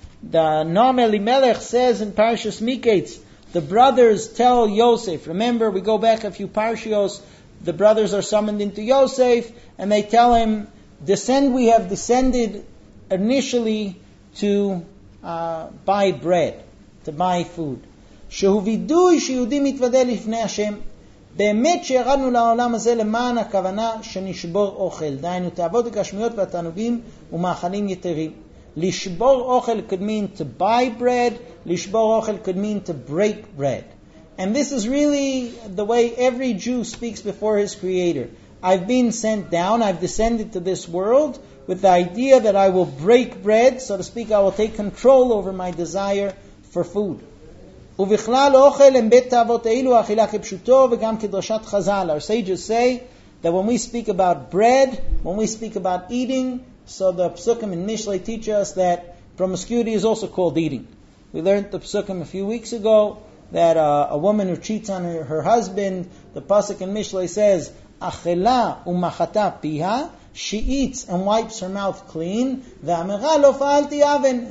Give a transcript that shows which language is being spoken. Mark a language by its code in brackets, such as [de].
[en] The Noam Elimelech says in Parshas Miketz, the brothers tell Yosef. Remember, we go back a few parshios. The brothers are summoned into Yosef, and they tell him, "Descend. We have descended initially to buy bread, to buy food." [he] שהוידוי שיהודי מתוודא לפני השם, באמת שירדנו לעולם הזה למען הכוונה שנשבור אוכל, דיינו תאוות הגשמיות והתענוגים ומאכלים יתרים. לשבור אוכל [en] could mean to buy bread, לשבור אוכל could mean to break bread. And this is really the way every Jew speaks before his Creator. I've been sent down, I've descended to this world with the idea that I will break bread, so to speak, I will take control over my desire for food. [he] ובכלל אוכל הם בית תאוות אלו אכילה כפשוטו וגם כדרשת חזל. [en] Our sages say that when we speak about bread, when we speak about eating, so the psukim in Mishlei teach us that promiscuity is also called eating. We learned the psukim a few weeks ago that a woman who cheats on her husband, the pasuk in Mishlei says, [he] אכילה ומחתה פיה, [en] she eats and wipes her mouth clean, [he] ואמרה לא פעלתי אבן.